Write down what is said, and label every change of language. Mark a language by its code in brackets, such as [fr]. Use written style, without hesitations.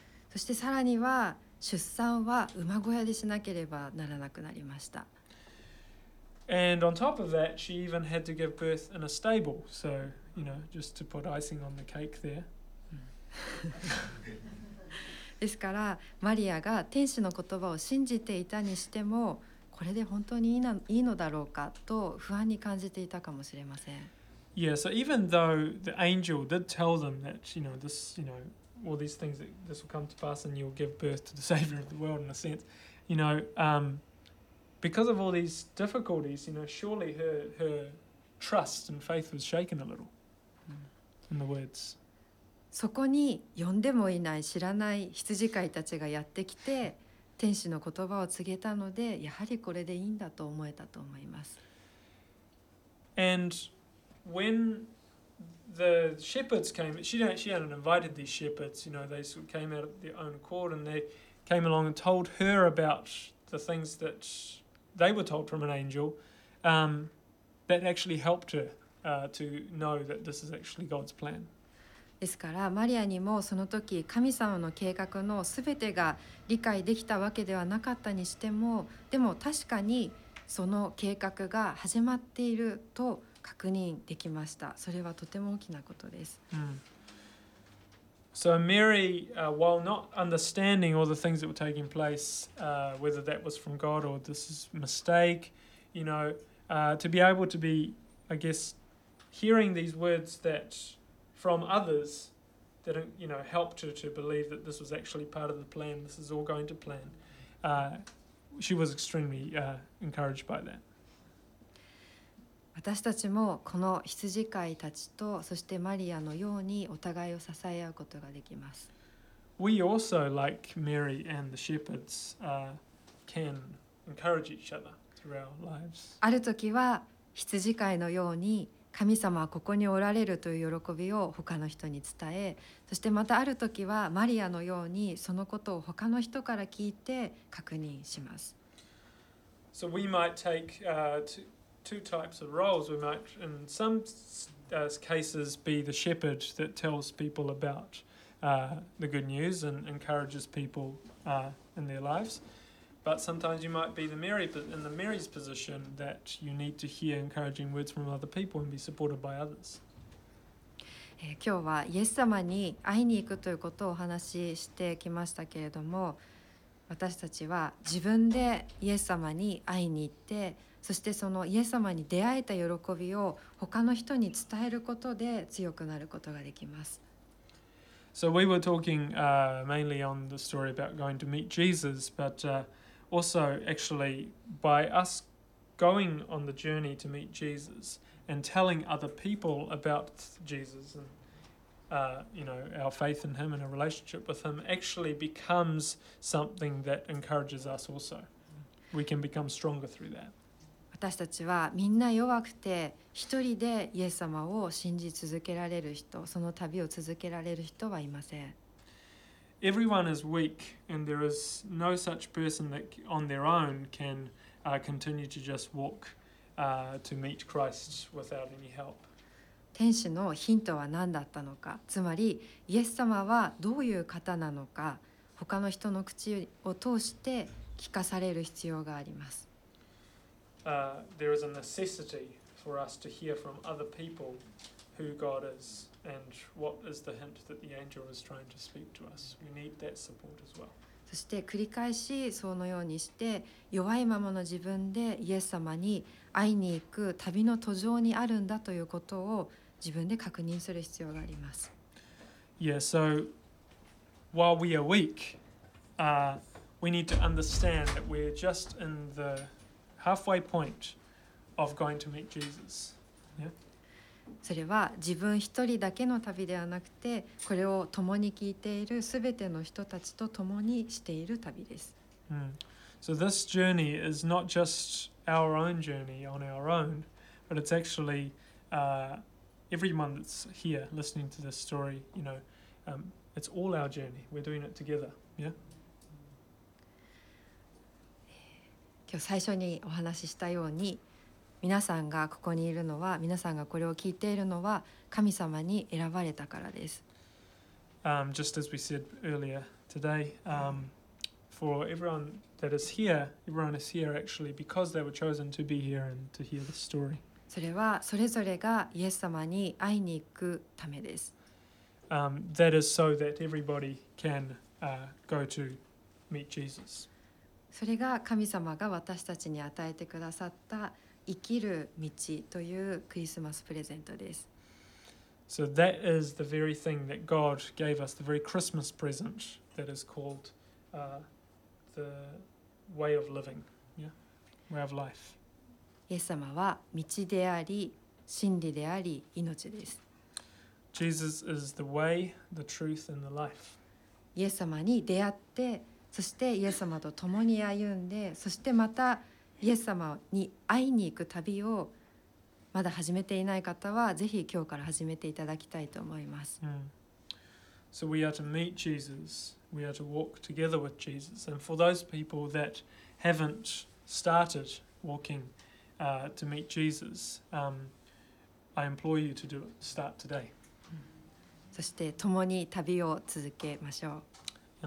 [ja] そしてさらには出産は馬小屋でしなければならなくなりました。 [en] And on top of that, she even had to give birth in a stable. So, you know, just to put icing on the cake there. [ja] ですから、マリアが天使の言葉を信じていたにしても、これで本当にいいのだろうかと不安に感じていたかもしれません。 [en] Yeah, so even though the angel did tell them that, you know, this, you know, all these things, that this will come to pass and you'll give birth to the savior of the world in a sense, you know, because of all these difficulties, you know, surely her trust and faith was shaken a little. In the words. [ja] そこに呼んでもいない知らない羊飼いたちがやってきて、天使の言葉を告げたので、やはりこれでいいんだと思えたと思います。 [en] And when the shepherds came, she hadn't invited these shepherds. You know, they sort of came out of their own accord and they came along and told her about the things that they were told from an angel, that actually helped her to know that this is actually God's plan. [ja] ですからマリアにもその時神様の計画のすべてが理解できたわけではなかったにしても、でも確かにその計画が始まっていると確認できました。それはとても大きなことです。 [en] So Mary, while not understanding all the things that were taking place, whether that was from God or this is a mistake, you know, to be able to be, I guess, hearing these words that from others that, you know, helped her to believe that this was actually part of the plan, this is all going to plan, she was extremely encouraged by that. [ja] 私たちもこの羊飼いたちとそしてマリアのようにお互いを支え合うことができます。 [en] We also, like Mary and the shepherds, can encourage each other through our lives. [ja] ある時は羊飼いのように神様はここにおられるという喜びを他の人に伝え、そしてまたある時はマリアのようにそのことを他の人から聞いて確認します。 [en] So we might take, two types of roles. We might, in some cases, be the shepherd that tells people about the good news and encourages people in their lives. But sometimes you might be the Mary, but in the Mary's position, that you need to hear encouraging words from other people and be supported by others. [ja] 今日はイエス様に会いに行くということをお話ししてきましたけれども、私たちは自分でイエス様に会いに行って、そしてそのイエス様に出会えた喜びを他の人に伝えることで強くなることができます。 [en] So we were talking mainly on the story about going to meet Jesus, but also actually by us going on the journey to meet Jesus and telling other people about Jesus and you know, our faith in him and a relationship with him actually becomes something that encourages us also. We can become stronger through that. [ja] 私たちはみんな弱くて一人でイエス様を信じ続けられる人、その旅を続けられる人はいません。 [en] Everyone is weak, and there is no such person that on their own can continue to just walk to meet Christ without any help. [ja] 天使のヒントは何だったのか、つまりイエス様はどういう方なのか、他の人の口を通して聞かされる必要があります。 [en] There is a necessity for us to hear from other people who God is and what is the hint that the angel is trying to speak to us. We need that support as well. [ja] そして繰り返しそのようにして弱いままの自分でイエス様に会いに行く旅の途上にあるんだということを自分で確認する必要があります。 [en] Yeah, so while we are weak, we need to understand that we're just in the halfway point of going to meet Jesus. Yeah? [ja] それは自分一人だけの旅ではなくて、これを共に聞いているすべての人たちと共にしている旅です。 [en] So this journey is not just our own journey on our own, but it's actually everyone that's here listening to this story, you know, it's all our journey. We're doing it together. Yeah? [ja] 今日最初にお話ししたように、皆さんがここにいるのは、皆さんがこれを聞いているのは、神様に選ばれたからです。 [en] Just as we said earlier today, for everyone that is here, everyone is here actually because they were chosen to be here and to hear the story. [ja] それはそれぞれがイエス様に会いに行くためです。 [en] That is so that everybody can go to meet Jesus. [ja] それが神様が私たちに与えてくださった生きる道というクリスマスプレゼントです。 [en] So that is the very thing that God gave us, the very Christmas present that is called the way of living, yeah? Way of life. [ja] イエス様は道であり、真理であり、命です。 [en] Jesus is the way, the truth, and the life. [ja] イエス様に出会って、そしてイエス様と共に歩んで、そしてまたイエス様に会いに行く旅をまだ始めていない方はぜひ今日から始めていただきたいと思います。 [en] So we are to meet Jesus. We are to walk together with Jesus. And for those people that haven't started walking to meet Jesus, I implore you to do it. Start today. [ja] そして共に旅を続けましょう。